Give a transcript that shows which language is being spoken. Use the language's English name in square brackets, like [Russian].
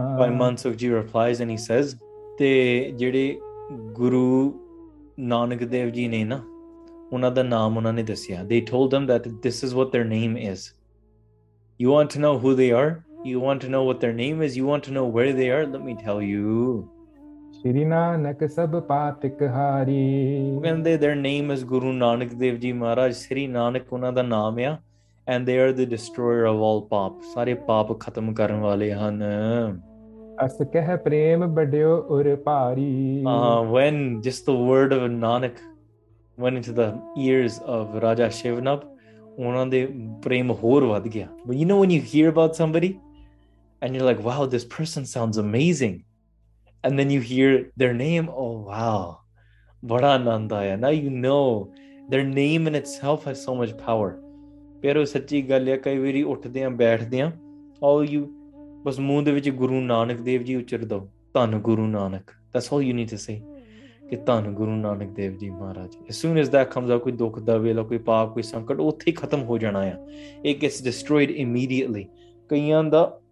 [English] Bhai Mansukh ji replies and he says [Punjabi] ਤੇ ਜਿਹੜੇ ਗੁਰੂ ਨਾਨਕ ਦੇਵ ਜੀ ਨੇ ਨਾ ਉਹਨਾਂ ਦਾ ਨਾਮ ਉਹਨਾਂ ਨੇ ਦੱਸਿਆ [English] they told them that this is what their name is you want to know who they are you want to know what their name is you want to know where they are let me tell you [Punjabi] ਸ਼੍ਰੀ ਨਾਨਕ ਸਭ ਪਾਤਕ ਹਾਰੀ [English] ਕਹਿੰਦੇ their name is Guru Nanak Dev ji Maharaj [Punjabi] ਸ਼੍ਰੀ ਨਾਨਕ ਉਹਨਾਂ ਦਾ ਨਾਮ ਆ [English] And they are the destroyer of all paap. [Punjabi] Sare paap khatam karan wale han. As keh prem badyo ur paari. [English] When just the word of Nanak went into the ears of Raja Shivnab, [Punjabi] unhan de prem hor vad gaya. [English] But you know when you hear about somebody and you're like, wow, this person sounds amazing. And then you hear their name, oh wow. [Punjabi] Bada anand aaya. [English] Now you know their name in itself has so much power. [Punjabi] ਪਰ ਉਹ ਸੱਚੀ ਗੱਲ ਆ ਕਈ ਵਾਰੀ ਉੱਠਦੇ ਆ ਬੈਠਦੇ ਆ ਆਲ ਯੂ ਬਸ ਮੂੰਹ ਦੇ ਵਿੱਚ ਗੁਰੂ ਨਾਨਕ ਦੇਵ ਜੀ ਉਚਰ ਦੋ ਧੰਨ Guru Nanak [English] that's all you need to say [Punjabi] ਕਿ ਧੰਨ ਗੁਰੂ ਨਾਨਕ ਦੇਵ ਜੀ ਮਹਾਰਾਜ [English] as soon as that comes out [Punjabi] ਕੋਈ ਦੁੱਖ ਦਾ ਵੇਲਾ ਕੋਈ ਪਾਪ ਕੋਈ ਸੰਕਟ ਉੱਥੇ ਹੀ ਖਤਮ ਹੋ ਜਾਣਾ ਆ [English] it gets destroyed immediately [Punjabi] ਕਈਆਂ ਦਾ